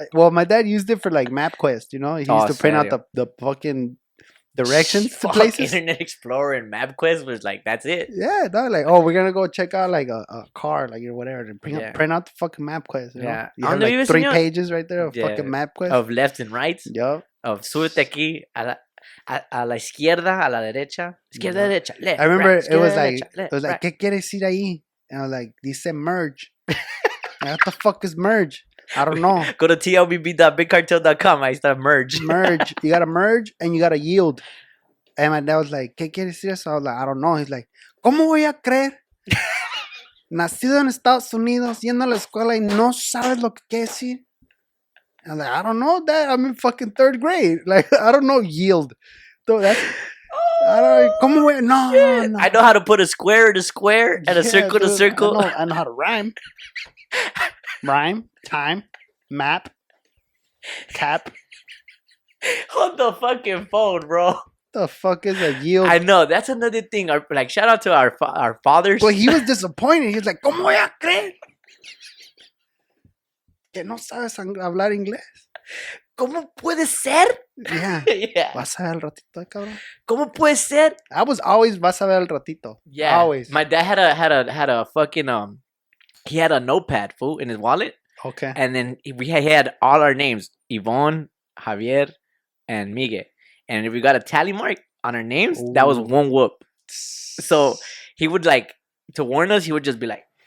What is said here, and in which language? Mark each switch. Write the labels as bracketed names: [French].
[English] Well, my dad used it for like MapQuest. You know, he used to print out the fucking directions to places. Internet Explorer and MapQuest was like, that's it. Yeah, dog, like, oh, we're gonna go check out like a car, like, or whatever, and print out the fucking MapQuest. You know? Yeah, you had, like, three pages right there of fucking MapQuest of left and right. Yep. [Spanish] Of suerte aquí a la izquierda, a la derecha, izquierda, yeah. Derecha. [English] Left, I remember right, it was like [Spanish] derecha, [English] left, it was like, right. [Spanish] ¿Qué quieres ir ahí? [English] And I was like, [Spanish] dice [English] merge. What the fuck is merge? I don't know. Go to tlbb.bigcartel.com. I said merge. Merge. You got to merge and you got to yield. And my dad was like, [Spanish] ¿qué quieres decir eso? [English] I was like, I don't know. He's like, [Spanish] ¿cómo voy a creer? Nacido en Estados Unidos, yendo a la escuela y no sabes lo que quiere decir. [English] I was like, I don't know, dad. I'm in fucking third grade. Like, I don't know yield. So that's... I know how to put a square to square and a circle, dude, to circle. I know how to rhyme. Rhyme, time, map, cap. Hold the fucking phone, bro. The fuck is a yield? I know. That's another thing. Like, shout out to our fathers. But he was disappointed. He was like, [Spanish] ¿cómo voy a creer? Que no sabes hablar inglés. ¿Cómo puede ser? [English] Yeah. Yeah. [Spanish] ¿Vas a ver el ratito, cabrón? ¿Cómo puede ser? [English] I was always [Spanish] vas a ver el ratito. [English] Yeah. Always. My dad had a fucking, he had a notepad, fool, in his wallet. Okay. And then he had all our names, Yvonne, Javier, and Miguel. And if we got a tally mark on our names, ooh, that was one whoop. So he would, like, to warn us, he would just be like,